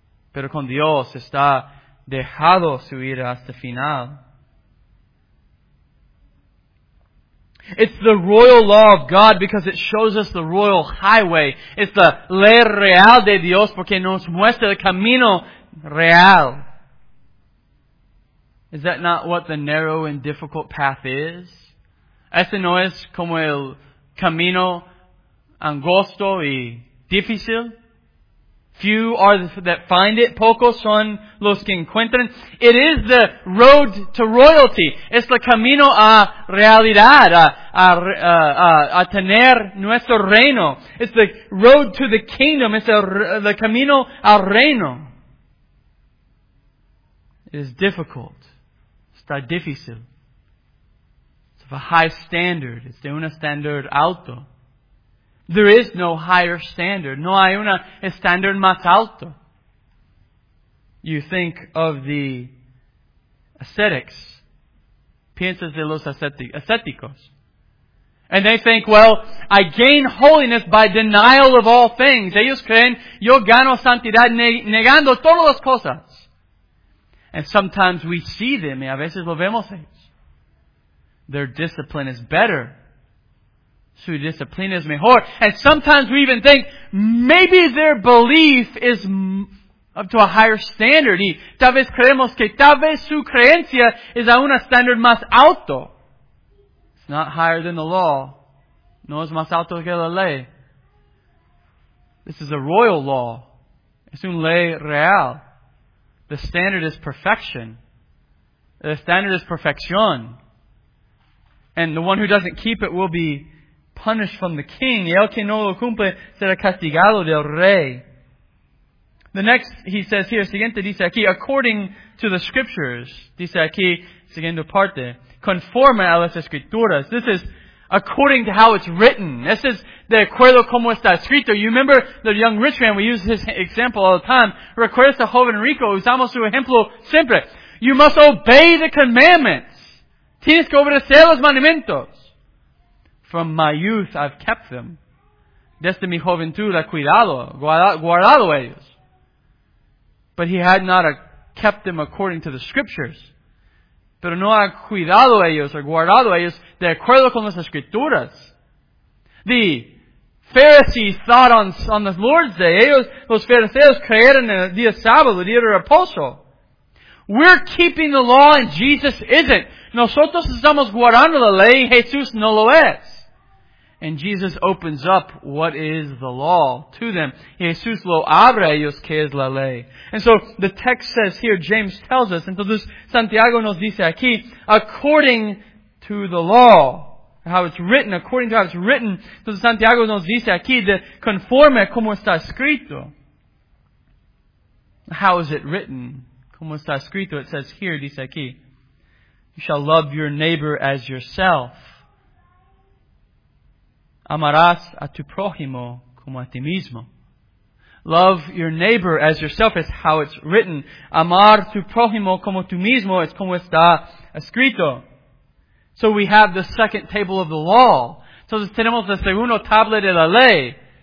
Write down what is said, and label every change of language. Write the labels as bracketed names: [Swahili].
[Spanish] Pero con Dios está dejado su ira hasta final. [English] It's the royal law of God because it shows us the royal highway. It's the [Spanish] ley real de Dios porque nos muestra el camino real. [English] Is that not what the narrow and difficult path is? [Spanish] ¿Ese no es como el camino angosto y difícil? [English] Few are that find it. [Spanish] Pocos son los que encuentran. [English] It is the road to royalty. [Spanish] Es el camino a realidad, a tener nuestro reino. [English] It's the road to the kingdom. [Spanish] Es el camino al reino. [English] It is difficult. [Spanish] Está difícil. [English] It's of a high standard. [Spanish] Es de un standard alto. [English] There is no higher standard. [Spanish] No hay un estándar más alto. [English] You think of the ascetics. [Spanish] Piensas de los ascéticos. [English] And they think, well, I gain holiness by denial of all things. [Spanish] Ellos creen, yo gano santidad negando todas las cosas. [English] And sometimes we see them, [Spanish] y a veces lo vemos ellos. [English] Their discipline is better. [Spanish] Su disciplina es mejor. [English] And sometimes we even think, maybe their belief is up to a higher standard. [Spanish] Y tal vez creemos que tal vez su creencia es a un standard más alto. [English] It's not higher than the law. [Spanish] No es más alto que la ley. [English] This is a royal law. [Spanish] Es un ley real. [English] The standard is perfection. The standard is perfección. And the one who doesn't keep it will be punished from the king. Y el que no lo cumple será castigado del rey. The next, he says here, [Spanish] siguiente dice aquí, [English] according to the scriptures, [Spanish] dice aquí, siguiendo parte, conforme a las escrituras. [English] This is according to how it's written. This is [Spanish] de acuerdo como está escrito. [English] You remember the young rich man, we use his example all the time. [Spanish] Recuerda a joven rico, usamos su ejemplo siempre. [English] You must obey the commandments. [Spanish] Tienes que obedecer los mandamientos. [English] From my youth I've kept them. [Spanish] Desde mi juventud he cuidado, guardado ellos. [English] But he had not kept them according to the scriptures. [Spanish] Pero no ha cuidado ellos o guardado ellos de acuerdo con las escrituras. [English] The Pharisees thought on the Lord's Day. [Spanish] Ellos, los fariseos creyeron en el día sábado, el día de reposo. [English] We're keeping the law and Jesus isn't. [Spanish] Nosotros estamos guardando la ley y Jesús no lo es. [English] And Jesus opens up what is the law to them. [Spanish] Jesús lo abre a ellos que es la ley. [English] And so the text says here, James tells us, [Spanish] entonces Santiago nos dice aquí, [English] according to the law, how it's written, according to how it's written, [Spanish] entonces Santiago nos dice aquí, de conforme como está escrito. [English] How is it written? [Spanish] Como está escrito, [English] it says here, [Spanish] dice aquí, [English] you shall love your neighbor as yourself. [Spanish] Amarás a tu prójimo como a ti mismo. [English] Love your neighbor as yourself is how it's written. [Spanish] Amar tu prójimo como tú mismo es como está escrito. [English] So we have the second table of the law. [Spanish] Entonces tenemos la segunda tabla de la ley.